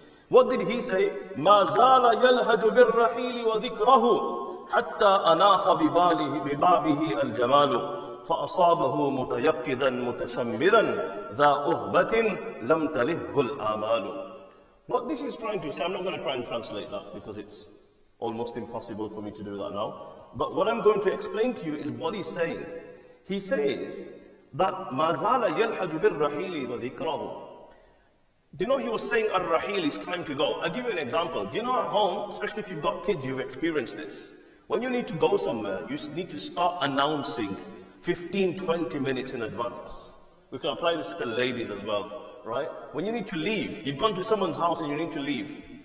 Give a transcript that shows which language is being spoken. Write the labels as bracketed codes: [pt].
[en] What did he say? [ar] مَا زَالَ يَلْهَجُ بِالرَّحِيلِ وَذِكْرَهُ حَتَّى أَنَاخَ بِبَابِهِ الْجَمَالُ فَأَصَابَهُ مُتَيَقِّذًا مُتَسَمِّرًا ذَا أُهْبَةٍ لَمْ تَلِهُ الْآمَالُ. [en] What this is trying to say, I'm not going to try and translate that because it's almost impossible for me to do that now. But what I'm going to explain to you is what he's saying. He says that [ar] مَا زَالَ يَلْحَجُ بِالرَّحِيلِ وَذِكْرَهُ. [en] Do you know he was saying Ar-Rahil is time to go? I'll give you an example. Do you know at home, especially if you've got kids, you've experienced this. When you need to go somewhere, you need to start announcing 15, 20 minutes in advance. We can apply this to the ladies as well, right? When you need to leave, you've gone to someone's house and you need to leave.